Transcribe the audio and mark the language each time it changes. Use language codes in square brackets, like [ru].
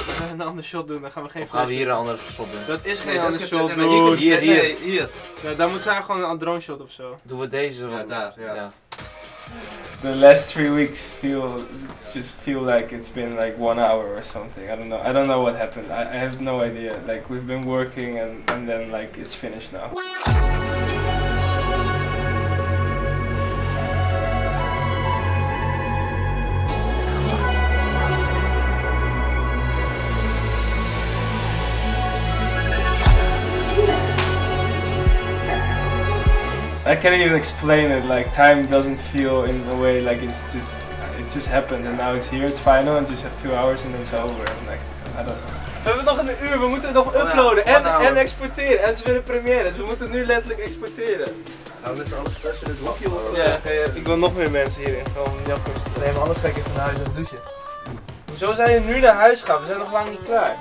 [nl] Een ander shot doen, dan gaan we geen. Of gaan we hier een ander shot doen? Dat is geen ander shot. Nee, hier. Ja, dan moeten we gewoon een drone shot of zo. Doen we deze wel? Ja, daar, ja. [en] The last 3 weeks feel like it's been like 1 hour or something. I don't know what happened. I have no idea. Like, we've been working and then like it's finished now. I can't even explain it, like time doesn't feel in a way like it just happened and now it's here, it's final and just have 2 hours and then it's over. I'm like, I don't know. [nl] We hebben nog een uur, we moeten het nog uploaden en exporteren en ze willen première, dus we moeten nu letterlijk exporteren. Nou, dit is alles best in het lokje. Ik wil nog meer mensen hierin, gewoon jappers. Nee, maar anders ga ik even naar huis en douchen. Zo zijn we nu naar huis gaan, we zijn nog lang niet klaar.